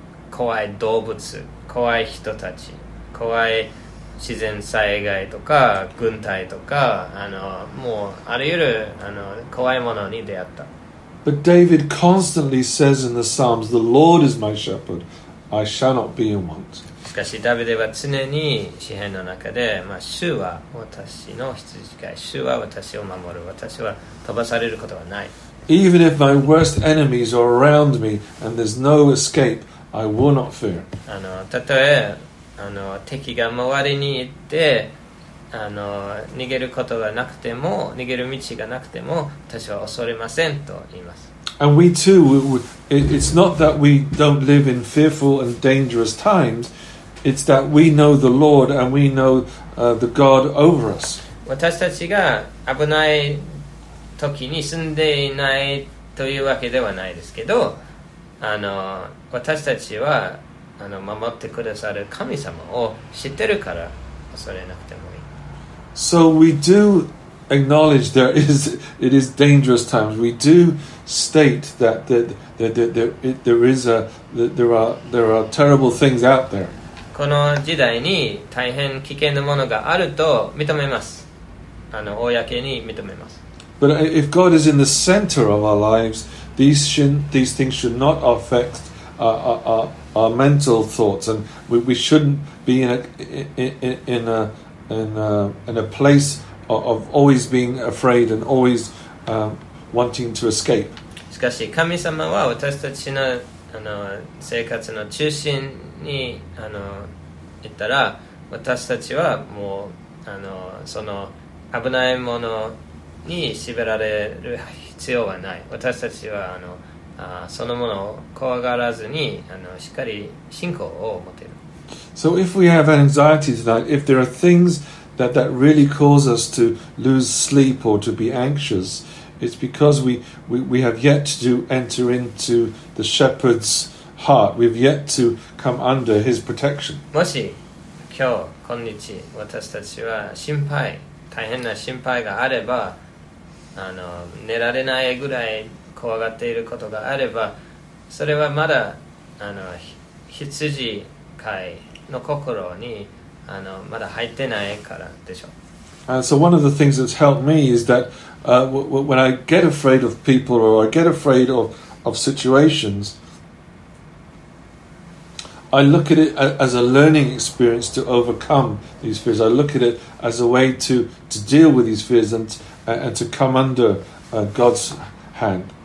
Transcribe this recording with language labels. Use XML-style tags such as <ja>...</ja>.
<ja>怖い動物、怖い人たち、怖い自然災害とか軍隊とかもうあらゆる怖いものに出会った。</ja> <en>But David constantly says in the Psalms, "The Lord is my shepherd; I shall not be in want."</en> <ja>しかしダビデは常に詩篇の中で、主は私の羊飼い、主は私を守る、私は飛ばされることはない。</ja> <en>Even if my worst enemies are around me and there's no escape, I will not fear.</en> <ja>たとえ敵が周りにいて逃げることがなくても、逃げる道がなくても、私は恐れませんと言います。</ja> <en>And we too, it's not that we don't live in fearful and dangerous times, it's that we know the Lord and we know the God over us.</en> <ja>私たちが危ない時に住んでいないというわけではないですけど、私たちは守ってくださる神様を知ってるから恐れなくてもいい。</ja> <en>So we do acknowledge there is, it is dangerous times. We do state that there are terrible things out there.</en> <ja>この時代に大変危険なものがあると認めます。公に認めます。</ja> <en>But if God is in the center of our lives, these things should not affect our mental thoughts, and we shouldn't be in a place of always being afraid and always wanting to escape.</en> <ja>しかし神様は私たちの生活の中心にいたら、私たちはもうその危ないものに縛られる必要はない。私たちはそのものを怖がらずにしっかり信仰を持てる。</ja> <en>So if we have anxiety tonight, if there are things that really cause us to lose sleep or to be anxious, it's because we have yet to enter into the shepherd's heart. We've yet to come under his protection.</en> <ja>もし今日、今日、私たちは心配、大変な心配があれば、寝られないぐらい怖がっていることがあれば、それはまだ羊飼いの心にまだ入ってないからでしょう。</ja> <en>And so one of the things that's helped me is that when I get afraid of people or I get afraid of situations, I look at it as a learning experience to overcome these fears. I look at it as a way to deal with these fears and to come under God's hand.</en>